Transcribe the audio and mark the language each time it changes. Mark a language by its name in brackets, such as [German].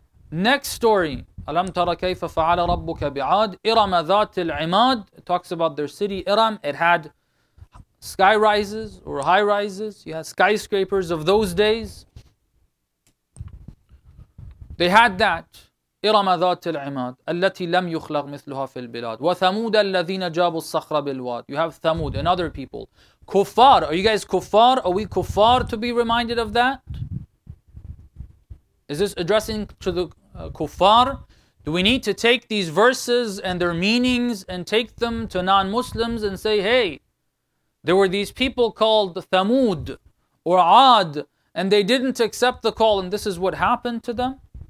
[English] Next story, [Arabic] أَلَمْ تَرَ كَيْفَ فَعَلَ رَبُّكَ بِعَادٍ إِرَمَ ذَاتِ الْعِمَادِ. [English] It talks about their city, Iram. It had sky rises or high rises. You had skyscrapers of those days. They had that. [Arabic] إِرَمَ ذَاتِ الْعِمَادِ الَّتِي لَمْ يُخْلَغْ مِثْلُهَا فِي الْبِلَادِ وَثَمُودَ الَّذِينَ جَابُوا الصَّخْرَ بِالْوَادِ. [English] You have Thamud and other people. Kuffar, are you guys kuffar? Are we kuffar to be reminded of that? Is this addressing to the kuffar? Do we need to take these verses and their meanings and take them to non-Muslims and say, hey, there were these people called Thamud or Ad, and they didn't accept the call, and this is what happened to them?